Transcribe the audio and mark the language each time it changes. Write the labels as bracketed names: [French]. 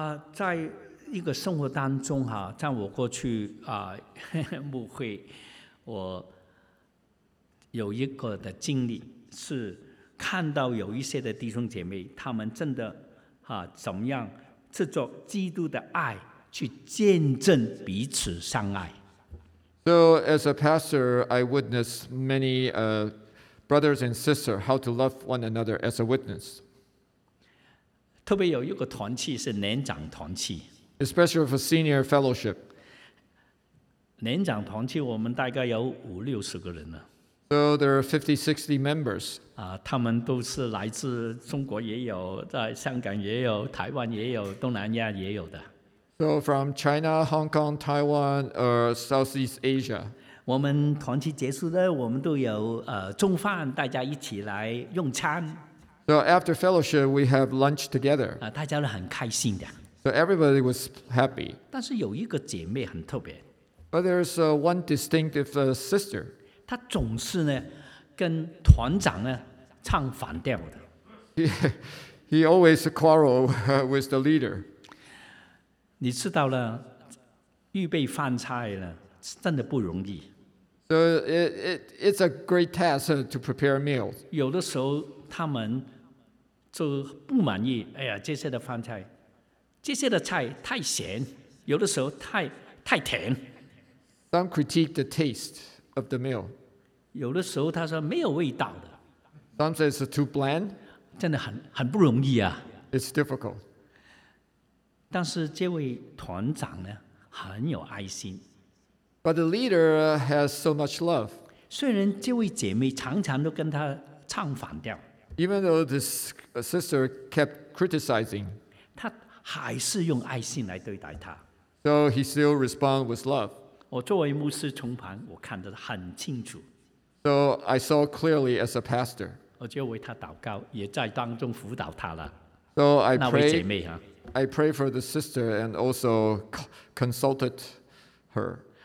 [Chinese] 在一个生活当中在我过去牧会，我有一个的经历是看到有一些的弟兄姐妹，他们真的怎么样制作基督的爱去见证彼此相爱。 [English] So as a pastor, I witness many brothers and sisters how to love one another as a witness. [Chinese] 特别有一个团契是年长团契。 [English] Especially for senior fellowship. [Chinese] 年长团契我们大概有五六十个人了。 [English] So there are 50-60 members. [Chinese] 他们都是来自中国也有，在香港也有，台湾也有，东南亚也有的。 [English] So from China, Hong Kong, Taiwan, or Southeast Asia. [Chinese] 我们团契结束了，我们都有中饭，大家一起来用餐。 [English] So after fellowship, we have lunch together. [Chinese] 大家都很开心的。 [English] So everybody was happy. [Chinese] 但是有一个姐妹很特别。 [English] But there's one distinctive sister. [Chinese] 他总是呢跟团长呢唱反调的。 [English] He always quarrel with the leader. [Chinese] 你知道了，预备饭菜呢真的不容易。 [English] So it's a great task to prepare meals. [Chinese] 有的时候他们就不满意，哎呀，这些的饭菜，这些的菜太咸，有的时候太甜。 [English] Some critique the taste of the meal. [Chinese] 有的时候他说没有味道的。 [English] Some say it's too bland. [Chinese] 真的很不容易啊。 [English] It's difficult. [Chinese] 但是这位团长呢很有爱心。 [English] But the leader has so much love. [Chinese] 虽然这位姐妹常常都跟他唱反调。 [English] Even though this sister kept criticizing. [Chinese] 他还是用爱心来对待他。 [English] So he still responds with love. [Chinese] 我作为牧师从旁我看得很清楚。 [English] So I saw clearly as a pastor. [Chinese] 我就为他祷告，也在当中辅导他了。 [English] So I pray. [Chinese] 那位姐妹啊。 [English] I pray for the sister and also consulted her.